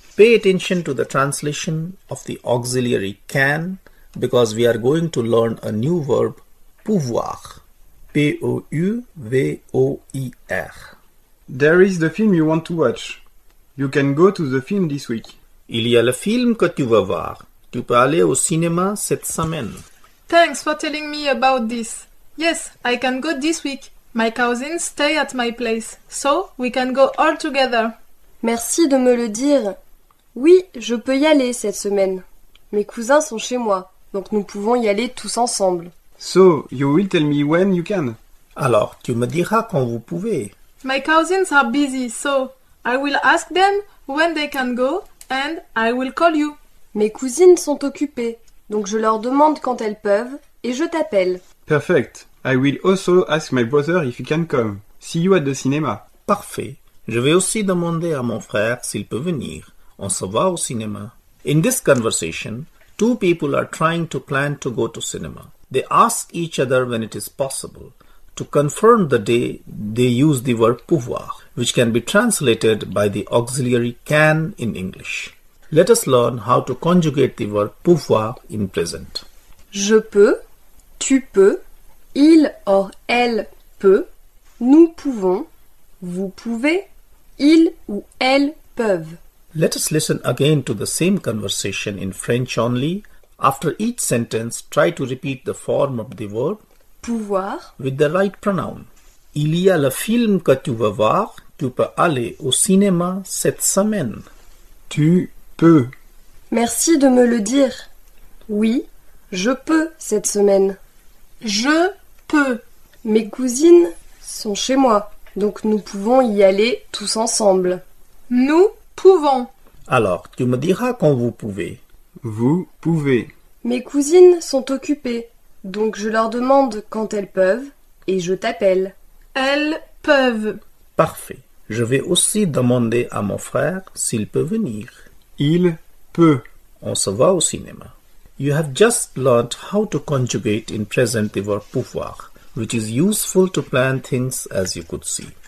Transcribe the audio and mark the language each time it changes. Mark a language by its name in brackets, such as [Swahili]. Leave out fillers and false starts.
[English] Pay attention to the translation of the auxiliary can, because we are going to learn a new verb, pouvoir. [French] P-O-U-V-O-I-R. [English] There is the film you want to watch. You can go to the film this week. [French] Il y a le film que tu veux voir. Tu peux aller au cinéma cette semaine. [English] Thanks for telling me about this. Yes, I can go this week. My cousins stay at my place, so we can go all together. [French] Merci de me le dire. Oui, je peux y aller cette semaine. Mes cousins sont chez moi, donc nous pouvons y aller tous ensemble. [English] So, you will tell me when you can. [French] Alors, tu me diras quand vous pouvez. [English] My cousins are busy, so I will ask them when they can go and I will call you. [French] Mes cousines sont occupées, donc je leur demande quand elles peuvent et je t'appelle. [English] Perfect. I will also ask my brother if he can come. See you at the cinema. [French] Parfait. Je vais aussi demander à mon frère s'il peut venir. On se voit au cinéma. [English] In this conversation, two people are trying to plan to go to cinema. They ask each other when it is possible. To confirm the day, they use the verb pouvoir, which can be translated by the auxiliary can in English. Let us learn how to conjugate the verb pouvoir in present. [French] Je peux, tu peux, il or elle peut, nous pouvons, vous pouvez, il ou elle peuvent. [English] Let us listen again to the same conversation in French only. After each sentence, try to repeat the form of the verb [French] pouvoir [English] with the right pronoun. [French] Il y a le film que tu veux voir, tu peux aller au cinéma cette semaine. Tu peux. Merci de me le dire. Oui, je peux cette semaine. Je peux. Mes cousines sont chez moi, donc nous pouvons y aller tous ensemble. Nous pouvons. Alors, tu me diras quand vous pouvez. Vous pouvez. Mes cousines sont occupées, donc je leur demande quand elles peuvent et je t'appelle. Elles peuvent. Parfait. Je vais aussi demander à mon frère s'il peut venir. Il peut. On se voit au cinéma. [English] You have just learned how to conjugate in present the verb pouvoir, which is useful to plan things, as you could see.